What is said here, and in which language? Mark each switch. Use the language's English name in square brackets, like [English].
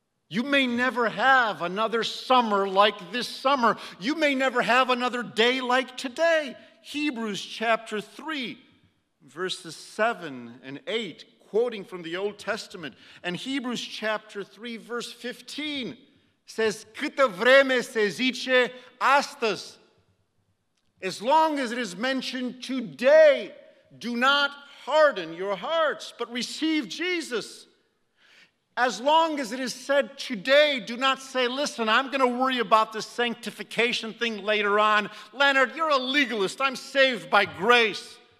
[English] You may never have another summer like this summer. You may never have another day like today. Hebrews chapter 3, verses 7 and 8, quoting from the Old Testament. And Hebrews chapter 3, verse 15 says, [Romanian] Câtă vreme se zice astăzi? [English] As long as it is mentioned today, do not harden your hearts, but receive Jesus. As long as it is said today, do not say, listen, I'm going to worry about this sanctification thing later on. Leonard, you're a legalist. I'm saved by grace.